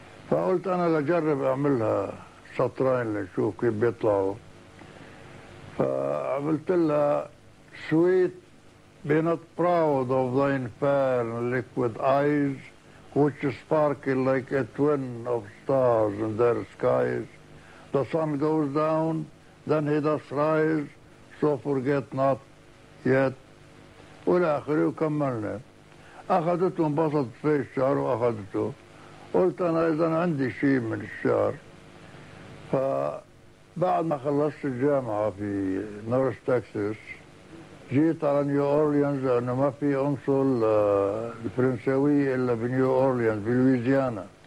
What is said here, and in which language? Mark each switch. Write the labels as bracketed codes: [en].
[ar] فقلت أنا لجرب أعملها سطرين لنشوف كيف بيطلعوا. فعملت لها [en] sweet be not proud of thine fair liquid eyes which sparkle like a twin of stars in their skies. The sun goes down then he does rise so forget not yet. [ar] ولا آخر وكملنا. أخذته انبسط في الشعر وأخذته. قلت أنا إذا عندي شيء من الشعر. فبعد ما خلصت الجامعة في نورث تكساس جيت على نيو أورليانز، لأنه ما في أنصل الفرنساوي إلا بنيو أورليانز بلويزيانا.